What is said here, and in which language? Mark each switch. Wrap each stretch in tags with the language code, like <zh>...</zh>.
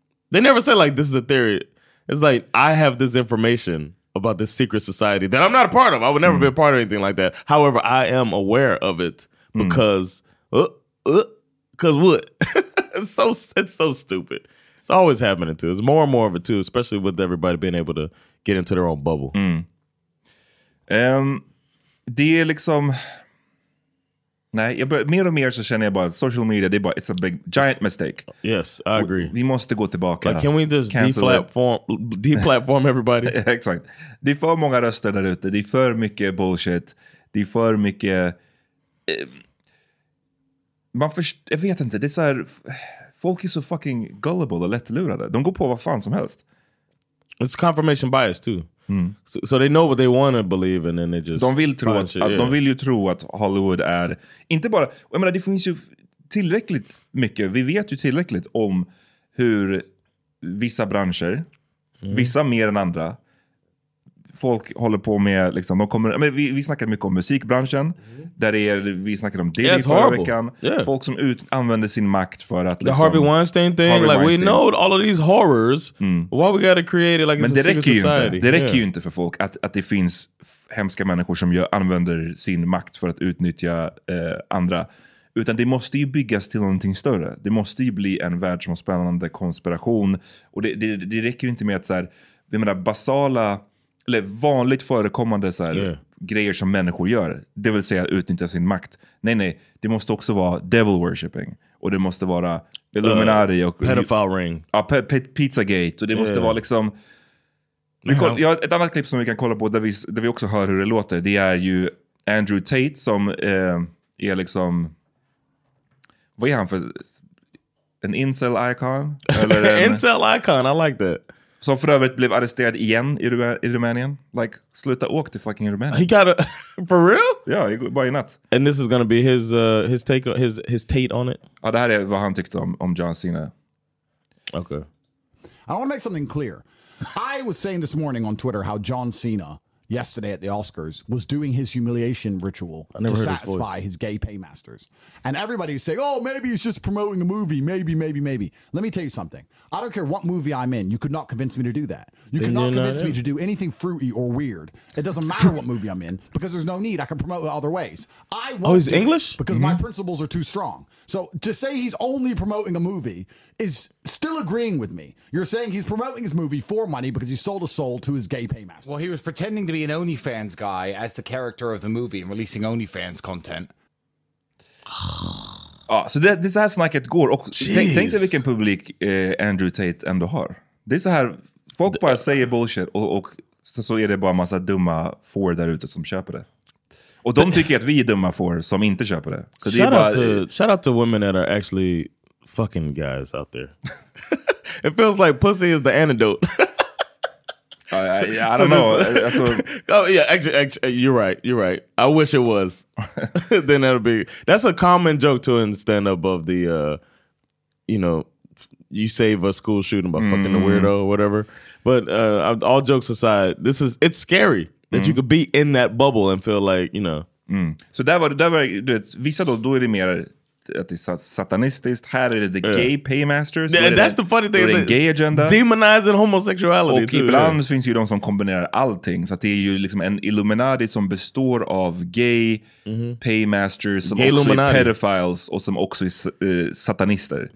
<en>They never say like, this is a theory. It's like, I have this information about this secret society that I'm not a part of. I would never be a part of anything like that. However, I am aware of it because, what? it's so stupid. It's always happening too. It's more and more of it too, especially with everybody being able to get into their own bubble.</en> <sv>Det är liksom, mer och mer så känner jag bara social media, det är bara,</sv> <en>it's a big, giant mistake. Yes, I agree.</en> <sv>Vi måste gå tillbaka.</sv> <en>Like, can we just deplatform everybody?</en> <sv>Exakt. Det är för många röster där ute, det är för mycket bullshit, det är för mycket, jag vet inte, det är så här, folk är så</sv> <en>fucking gullible</en> <sv>och lättlurade, de går på vad fan som helst.</sv> <en>It's confirmation bias too. So they know what they want to believe in, and they just</en> <sv>De vill ju tro att Hollywood är inte bara, jag menar, det finns ju tillräckligt mycket, vi vet ju tillräckligt om hur vissa branscher, vissa mer än andra, folk håller på med liksom, vi snackar mycket om musikbranschen, vi snackar om det förra veckan, folk som använder sin makt för att liksom,</sv> <en>the Harvey Weinstein thing, like Weinstein. We know all of these horrors, why we gotta create it like it's a secret society.</en> <sv>Det räcker ju inte för folk att det finns hemska människor som använder sin makt för att utnyttja andra, utan det måste ju byggas till någonting större, det måste ju bli en världsomspännande konspiration, och det räcker ju inte med att så här, vi menar basala eller vanligt förekommande så här grejer som människor gör. Det vill säga utnyttja sin makt. Nej, det måste också vara</sv> <en>devil worshipping.</en> <sv>Och det måste vara Illuminati. Och</sv> <en>pedophile ring.</en> <sv>Ja, Pizzagate. Och det måste vara liksom... Jag har ett annat klipp som vi kan kolla på där vi också hör hur det låter. Det är ju Andrew Tate som är liksom... Vad är han för... En incel-icon?</sv> <en>Incel-icon, I like that.</en> <sv>Som för övrigt blev arresterad igen i Rumänien. Like, sluta åk till fucking Rumänien.</sv> <en>He got a... For real?</en> <sv>Ja, yeah, bara i natt.</sv> <en>And this is gonna be his his take on, his take on it?</en> <sv>Ja, det här är vad han tyckte om John Cena.</sv> <en>Okay. I want to make something clear. I was saying this morning on Twitter how John Cena, yesterday at the Oscars, was doing his humiliation ritual to satisfy his gay paymasters. And everybody's saying, oh, maybe he's just promoting a movie. Maybe, maybe, maybe. Let me tell you something. I don't care what movie I'm in. You could not convince me to do that. You could not convince me to do anything fruity or weird. It doesn't matter what movie I'm in because there's no need. I can promote it other ways. I won't. Oh, he's English? Because my principles are too strong. So to say he's only promoting a movie is still agreeing with me. You're saying he's promoting his movie for money because he sold a soul to his gay paymaster. Well, he was pretending to be an OnlyFans guy as the character of the movie and releasing OnlyFans content.</en> <sv>Ah, så det, det är så här snacket går. Och tänk dig vilken publik Andrew Tate ändå har. Det är så här, folk bara säger bullshit och så är det bara en massa dumma får där ute som köper det. Och de tycker att vi är dumma får som inte köper det. Så det</sv> <en>shout out to women that are actually fucking guys out there. It feels like pussy is the antidote. I don't know. Oh yeah, actually, you're right. You're right. I wish it was. Then that'll be. That's a common joke too in stand up of the, you know, you save a school shooting by fucking the weirdo or whatever. But all jokes aside, this is it's scary that you could be in that bubble and feel like you know.</en> <sv>Mm. So that var det. Vissa då är det mer att det är satanistiskt. Här är det</sv> <en>the gay paymasters. That's the funny thing. The gay agenda. Demonizing homosexuality.</en> <sv>Och ibland finns ju de som kombinerar allting. Så att det är ju liksom en Illuminati som består av</sv> <en>gay paymasters</en> <sv>som gay också är pedophiles och som också är satanister.</sv>